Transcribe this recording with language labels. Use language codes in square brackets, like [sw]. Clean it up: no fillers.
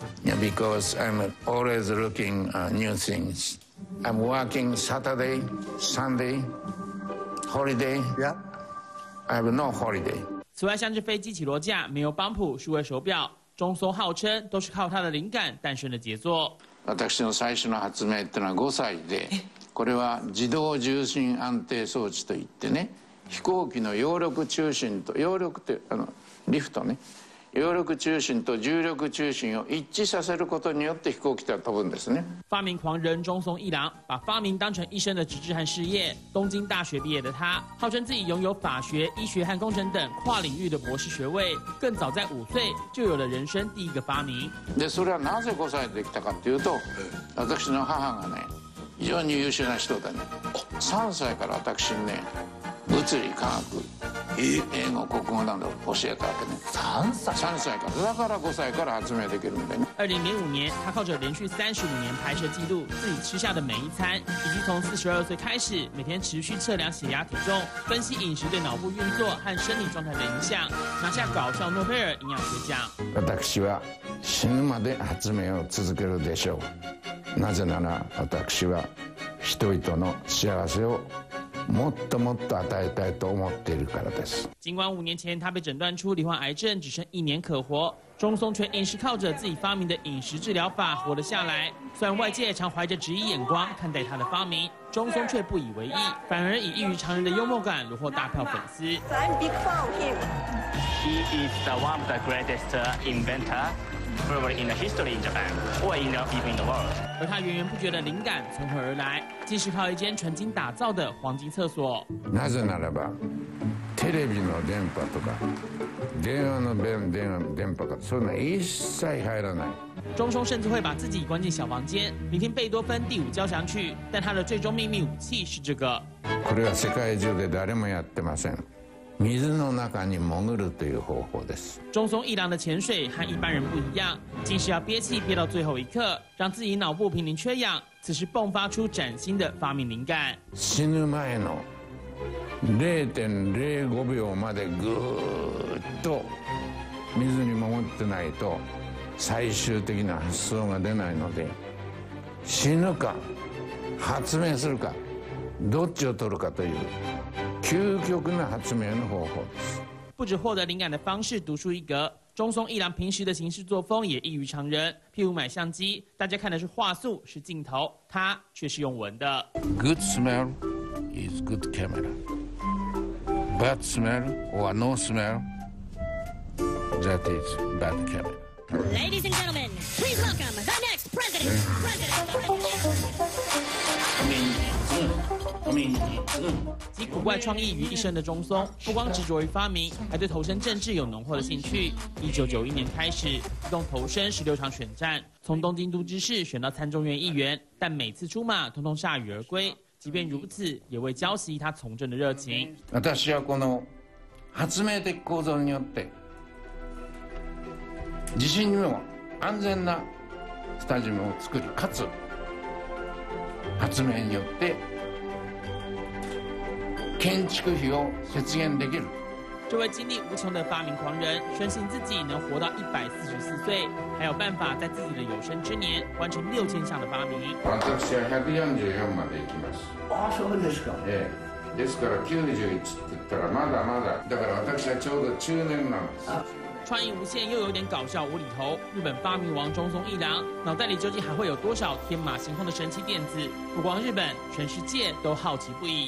[en] Yeah, because I'm always looking new things. I'm working Saturday, Sunday, holiday. Yeah, I have no holiday. [zh] 此外，像是飞机起落架、没有帮谱、数位手表，中松号称都是靠他的灵感诞生的杰作。 [ja] 私の最初の発明ってのは5歳で。これは自動重心安定装置といってね、飛行機の揚力中心と揚力ってあのリフトね、揚力中心と重力中心を一致させることによって飛行機が飛ぶんですね。 [zh] 发明狂人宗松一郎把发明当成一生的职志和事业。东京大学毕业的他，号称自己拥有法学、医学和工程等跨领域的博士学位，更早在5岁就有了人生第一个发明。 [ja] でそれはなぜ5歳でできたかというと、私の母がね。非常に優秀な人だね。3歳から私にね、物理、科学、英語、国語などを教えたわけね。 3歳から、だから5歳から発明できるんだね。 [zh] 2005年、他靠着连续35年拍摄记录自己吃下的每一餐，以及从42岁开始每天持续测量血压、体重，分析饮食对脑部运作和生理状态的影响，拿下搞笑诺贝尔营养学奖。 [ja] 私は死ぬまで発明を続けるでしょう。なぜなら私は人々の幸せをもっともっと与えたいと思っているからです。 [zh] 尽管5年前他被诊断出罹患癌症，只剩1年可活，宗松却硬是靠着自己发明的饮食治疗法活了下来。虽然外界常怀着质疑眼光看待他的发明，宗松却不以为意，反而以异于常人的幽默感虏获大票粉丝。 [en] I'm big fan of him. He is the one of the greatest inventorProbably in the history in Japan, or in the even in the world. [zh] 而他源源不绝的灵感从何而来？即使靠一间纯金打造的黄金厕所。 [ja] なぜならば、テレビの電波とか電話の電波とかそういうの一切入らない。 [zh] 宗松甚至会把自己关进小房间，聆听贝多芬第五交响曲。但他的最终秘密武器是这个。 [ja] これは世界中で誰もやってません。水の中に潜るという方法です。 [zh] 中松一郎的潜水和一般人不一样，竟是要憋气憋到最后一刻，让自己脑部濒临缺氧，此时迸发出崭新的发明灵感。 [ja] 死ぬ前の 0.05 秒までぐーっと水に潜ってないと最終的な発想が出ないので、死ぬか発明するかどっちを取るかという。究極的発明方法。 [zh] 不止获得灵感的方式独树一格，中松一郎平时的行事作风也异于常人。譬如买相机，大家看的是画素，是镜头，他却是用闻的。 [en] Good smell is good camera. Bad smell or no smell, that is bad camera. Ladies and gentlemen, please welcome the next president. [zh] 集古怪创意于一身的中松，不光执着于发明，还对投身政治有浓厚的兴趣。 1991年开始，自动投身16场选战，从东京都知事选到参众院议员，但每次出马，通通铩羽而归。即便如此，也未浇熄他从政的热情。 [ja] 私はこの発明的構造によって、地震にも安全なスタジアムを作り、かつ発明によって。建築費を節減できる。 [zh] 这位精力无穷的发明狂人深信自己能活到144岁，还有办法在自己的有生之年完成6000项的发明。 [ja] 私は144まで行きます。ああ、そうですか。ええ、ですから91って言ったらまだまだ、だから私はちょうど中年なんです。 [zh] 创意无限又有点搞笑无厘头，日本发明王中松一郎脑袋里究竟还会有多少天马行空的神奇电子？不光日本，全世界都好奇不已。